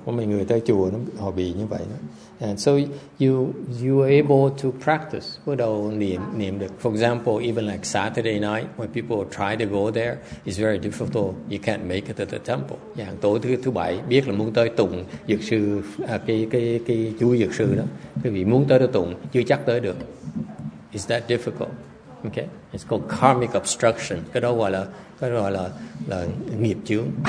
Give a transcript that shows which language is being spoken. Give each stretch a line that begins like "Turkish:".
Vietnamese: Có mấy người tới chùa nó họ bị như vậy đó.
English: And so you are able to practice.
Vietnamese: Bắt đầu niệm được.
English: For example, even like Saturday night, when people try to go there, it's very difficult. You can't make it to the temple.
Vietnamese: Yeah, tối thứ bảy biết là muốn tới tụng dược sư, cái chú dược sư đó. Quý vị muốn tới đó tụng, chưa chắc tới được.
English: Is that difficult? Okay. It's called karmic obstruction.
Vietnamese: Cái đó gọi là nghiệp chướng.